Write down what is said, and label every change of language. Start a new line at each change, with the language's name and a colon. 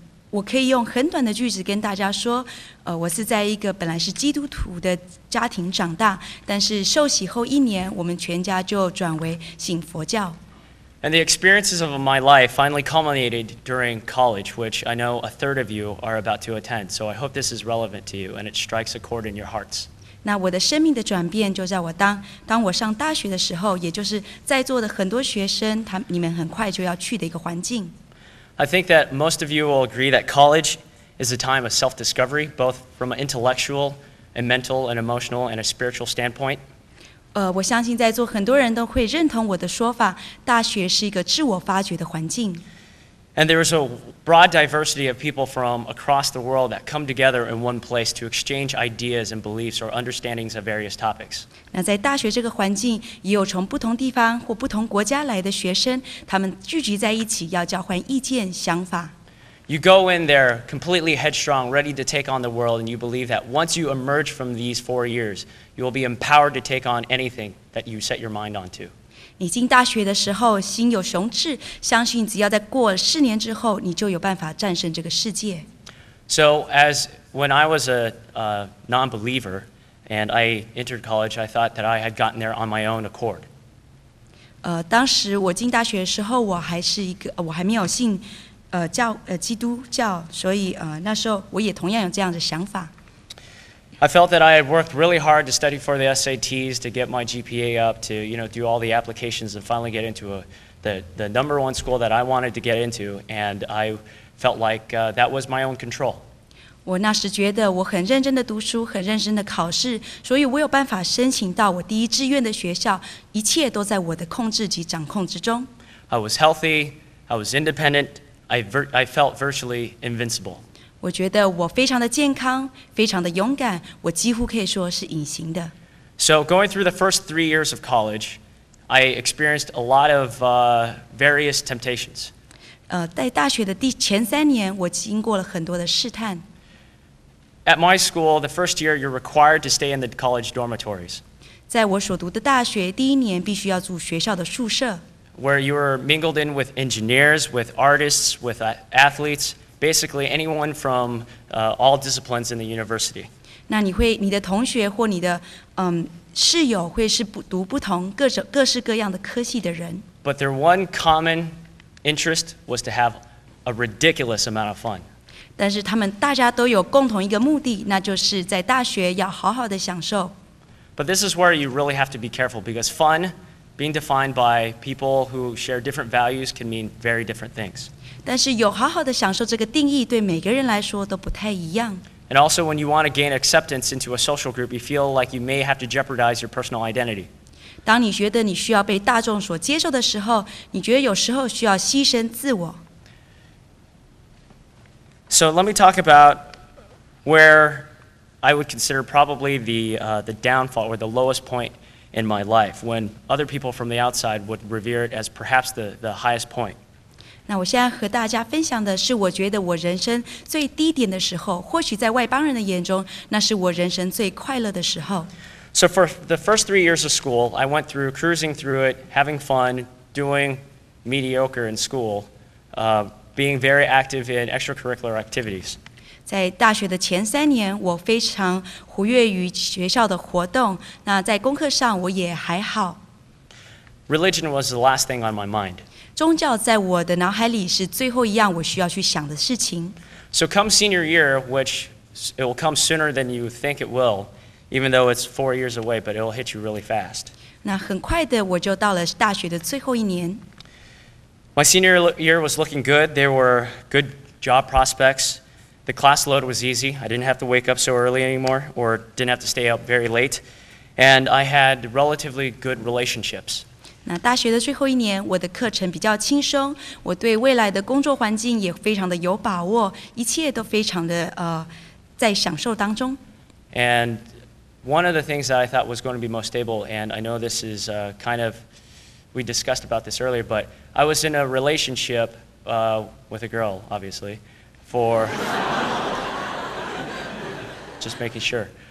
Chinese: 我可以用很短的句子跟大家说，我是在一个本来是基督徒的家庭长大，但是受洗后一年，我们全家就转为信佛教。
English: And the experiences of my life finally culminated during college, which I know a third of you are about to attend. So I hope this is relevant to you and it strikes a chord in your hearts.
Chinese: 那我的生命的转变就在我当我上大学的时候，也就是在座的很多学生，你们很快就要去的一个环境。
English: I think that most of you will agree that college is a time of self-discovery, both from an intellectual and mental and emotional and a spiritual standpoint.
Chinese: 我相信在座很多人都会认同我的说法，大学是一个自我发掘的环境。
English: And there is a broad diversity of people from across the world that come together in one place to exchange ideas and beliefs or understandings of various topics.
Chinese: 那在大学这个环境，也有从不同地方或不同国家来的学生，他们聚集在一起，要交换意见、想法。
English: You go in there completely headstrong, ready to take on the world, and you believe that once you emerge from these 4 years, you will be empowered to take on anything that you set your mind onto.
Chinese: 你进大学的时候心有雄志，相信只要在过四年之后，你就有办法战胜这个世界。
English: So as when I was a non-believer and I entered college, I thought that I had gotten there on my own accord.
Chinese: 当时我进大学的时候，我还没有信。基督教，所以那时候我也同样有这样的想法。
English: I felt that I had worked really hard to study for the SATs to get my GPA up to, you know, do all the applications and finally get into the number one school that I wanted to get into, and I felt like that was my own control.
Chinese: 我那时觉得我很认真的读书，很认真的考试，所以我有办法申请到我第一志愿的学校，一切都在我的控制及掌控之中。
English: I was healthy. I was independent. I felt virtually invincible.
Chinese: 我觉得我非常的健康，非常的勇敢，我几乎可以说是隐形的。
English: So going through the first 3 years of college, I experienced a lot of various temptations.
Chinese: 在大学的前三年，我经过了很多的试探。
English: At my school, the first year, you're required to stay in the college dormitories.
Chinese: 在我所读的大学，第一年必须要住学校的宿舍。
English: Where you were mingled in with engineers, with artists, with athletes, basically anyone from all disciplines in the university.
Chinese: 那你会你的同学或你的室友会是读不同各式各样的科系的人。
English: But their one common interest was to have a ridiculous amount of fun.
Chinese: 但是他们大家都有共同一个目的，那就是在大学要好好的享受。
English: But this is where you really have to be careful because fun, being defined by people who share different values, can mean very different things.
Chinese: 但是有好好的享受这个定义，对每个人来说都不太一样。
English: And also, when you want to gain acceptance into a social group, you feel like you may have to jeopardize your personal identity.
Chinese: 当你觉得你需要被大众所接受的时候，你觉得有时候需要牺牲自我。
English: So let me talk about where I would consider probably the downfall or the lowest point in my life when other people from the outside would revere it as perhaps the highest point.
Chinese: 那我现在和大家分享的是我觉得我人生最低点的时候，或许在外邦人的眼中，那是我人生最快乐的时候。
English: So for the first 3 years of school, I went through cruising through it, having fun, doing mediocre in school, being very active in extracurricular activities.
Chinese: 在大学的前三年，我非常活跃于学校的活动。那在功课上，我也还好。
English: Religion was the last thing on my mind.
Chinese: 宗教在我的脑海里是最后一样我需要去想的事情。
English: So come senior year, which it will come sooner than you think it will. Even though it's 4 years away, but it'll hit you really fast.
Chinese: 那很快的我就到了大学的最后一年。
English: My senior year was looking good. There were good job prospects. The class load was easy. I didn't have to wake up so early anymore, or didn't have to stay up very late. And I had relatively good relationships.
Chinese: 那大学的最后一年，我的课程比较轻松，我对未来的工作环境也非常的有把握，一切都非常的在享受当中。
English: And one of the things that I thought was going to be most stable, and I know this is kind of, we discussed about this earlier, but I was in a relationship with a girl, obviously, for, just making sure.